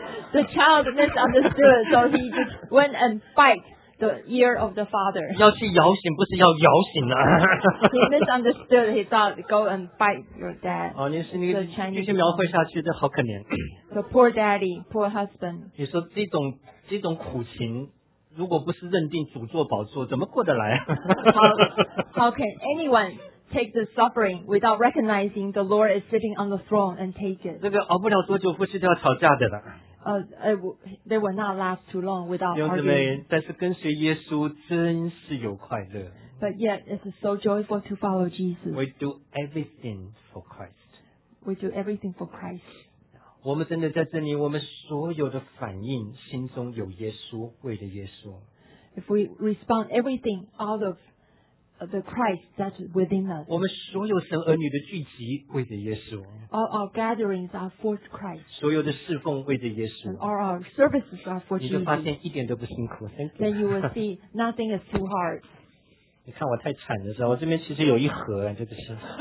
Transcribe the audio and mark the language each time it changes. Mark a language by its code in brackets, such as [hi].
[en] The child misunderstood, so he just went and bite the ear of the father. [zh] 要去摇醒，不是要摇醒啊。 [en] He misunderstood. He thought, "Go and bite your dad." [zh] 哦，你是你继续描绘下去，这好可怜。 [en] The poor daddy, poor husband. [zh] 你说这种苦情，如果不是认定主做宝座，怎么过得来？ [en] How can anyone take the suffering without recognizing the Lord is sitting on the throne and take it? [zh] 这个熬不了多久，夫妻就要吵架的了。 [en] They will not last too long without arguing. [zh] 弟兄姊妹，但是跟随耶稣真是有快乐。 [en] But yet it is so joyful to follow Jesus. We do everything for Christ. We do everything for Christ. [zh] 我们真的在这里，我们所有的反应，心中有耶稣，为了耶稣。 [en] If we respond everything out of the Christ that's within us. [zh] 我们所有神儿女的聚集为着耶稣。 [en] All our gatherings are for Christ. [zh] 所有的侍奉为着耶稣。 [en] All our services are for Jesus. [zh] 你就发现一点都不辛苦。 [en] Thank you. Then you will see nothing is too hard. [zh] 你看我太惨了，是吧？我这边其实有一盒，这个是。